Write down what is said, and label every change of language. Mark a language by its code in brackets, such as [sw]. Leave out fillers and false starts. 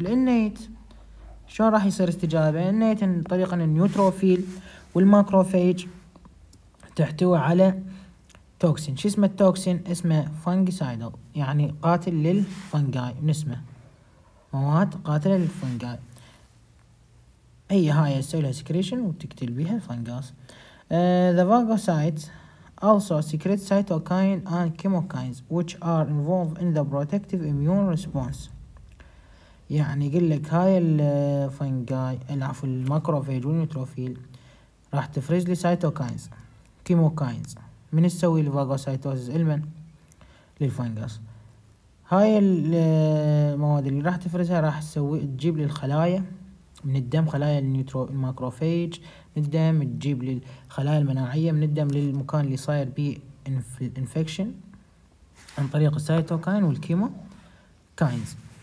[ar] الانيت شلون راح يصير استجابه؟ انيت عن طريق النيوتروفيل والماكروفيج تحتوي على توكسين. شو اسمه التوكسين؟ اسمه فانجيسايدل يعني قاتل للفنجاي من اسمه مواد قاتله للفنجاي اي هاي يسويلها سكريشن وتقتل بها الفنجاس. [en] The phagocytes also secrete cytokines and chemokines which are involved in the protective immune response. [ar] يعني يقول لك هاي الفنجاي العفو الماكروفاج والنيوتروفيل راح تفرز لي سايتوكاينز كيموكاينز من تسوي الفاجوسايتوزيس المن للفنجس. هاي المواد اللي راح تفرزها راح تسوي تجيب لي الخلايا من الدم خلايا النيوترو الماكروفاج من الدم تجيب لي الخلايا المناعيه من الدم للمكان اللي صاير بيه انفكشن عن طريق السايتوكاين والكيمو كاينز.